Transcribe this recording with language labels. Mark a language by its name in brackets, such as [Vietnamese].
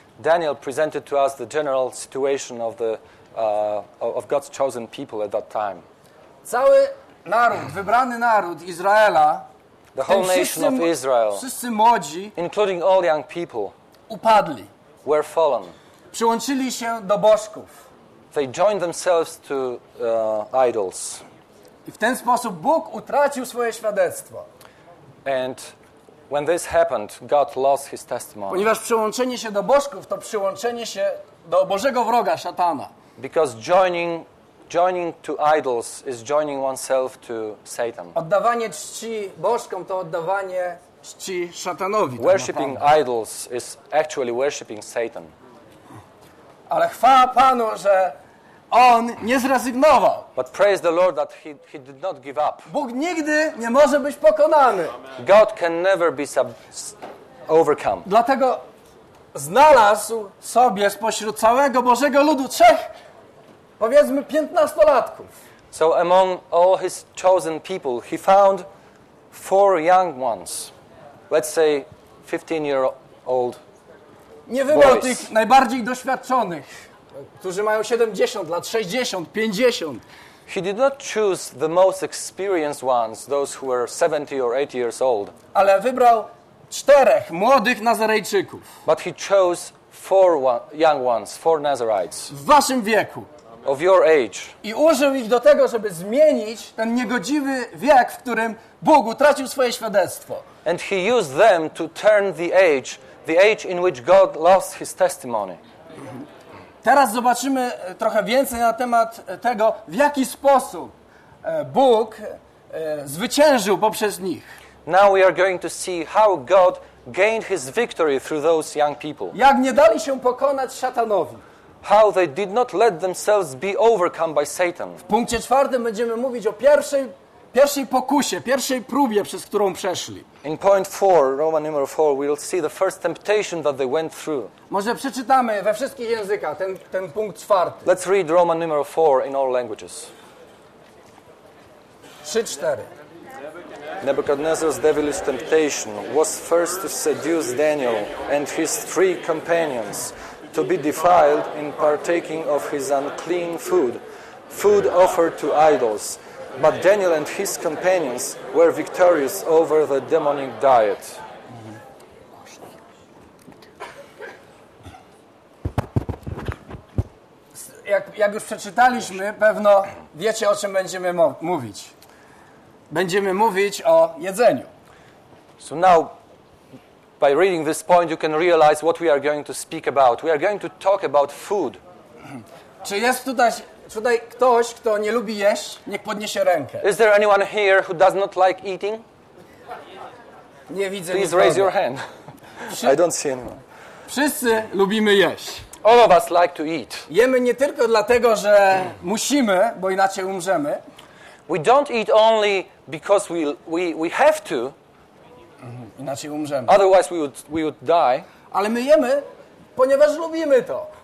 [English] Daniel presented to us the general situation of the of God's chosen people at that time. [Polish] Cały naród, wybrany naród Izraela, [English] the whole nation of Israel, [Polish] wszyscy młodzi, [English] including all young people, [Polish] upadli, [English] were fallen, [Polish] przyłączyli się do bożków, [English] they joined themselves to idols, [Polish] i w ten sposób Bóg utracił swoje świadectwo. [English] And when this happened, God lost his testimony. [Polish] Ponieważ przyłączenie się do bożków to przyłączenie się do Bożego wroga, szatana. [English] Because joining to idols is joining oneself to Satan. [Polish] Oddawanie czci bożkom to oddawanie czci szatanowi. [English] Worshipping idols is actually worshipping Satan. [Polish] Ale chwała Panu, że on nie zrezygnował. [English] But praise the Lord that he did not give up. [Polish] Bóg nigdy nie może być pokonany. [English] Amen. God can never be overcome. [Polish] Dlatego znalazł sobie spośród całego Bożego ludu trzech, powiedzmy, 15-latków. [English] So among all his chosen people, he found four young ones. Let's say 15-year-old boys. [Polish] Nie wybrał tych najbardziej doświadczonych, którzy mają 70 lat, 60, 50. [English] He did not choose the most experienced ones, those who were 70 or 80 years old. [Polish] Ale wybrał czterech młodych Nazarejczyków. [English] But he chose four young ones, four Nazarites. [Polish] W waszym wieku. [English] Of your age. [Polish] I użył ich do tego, żeby zmienić ten niegodziwy wiek, w którym Bóg utracił swoje świadectwo. [English] And he used them to turn the age in which God lost his testimony. [Polish] Teraz zobaczymy trochę więcej na temat tego, w jaki sposób Bóg zwyciężył poprzez nich. [English] Now we are going to see how God gained his victory through those young people. [Polish] Jak nie dali się pokonać szatanowi. [English] How they did not let themselves be overcome by Satan. [Polish] W punkcie czwartym będziemy mówić o pierwszej pokusie, pierwszej próbie, przez którą przeszli. [English] In point 4, Roman numer 4, we'll see the first temptation that they went through. [Polish] Może przeczytamy we wszystkich językach ten punkt czwarty. [English] Let's read Roman numer 4 in all languages. 3-4. Nebuchadnezzar's devilish temptation was first to seduce Daniel and his three companions to be defiled in partaking of his unclean food, food offered to idols. But Daniel and his companions were victorious over the demonic diet. [Polish] Jak już przeczytaliśmy, pewno wiecie, o czym będziemy mówić. Będziemy mówić o jedzeniu. [English] So now, by reading this point, you can realize what we are going to speak about. We are going to talk about food. [Polish] Czy jest tutaj ktoś, kto nie lubi jeść, niech podniesie rękę. [English] Is there anyone here who does not like eating? [Polish] Nie widzę. [English] Please raise your hand. I don't see anyone. Wszyscy lubimy jeść. All of us like to eat. [Polish] Jemy nie tylko dlatego, że musimy, bo inaczej umrzemy. [English] We don't eat only because we have to. [Polish] Inaczej umrzemy. [English] Otherwise we would die. [Polish] Ale my jemy, ponieważ lubimy to.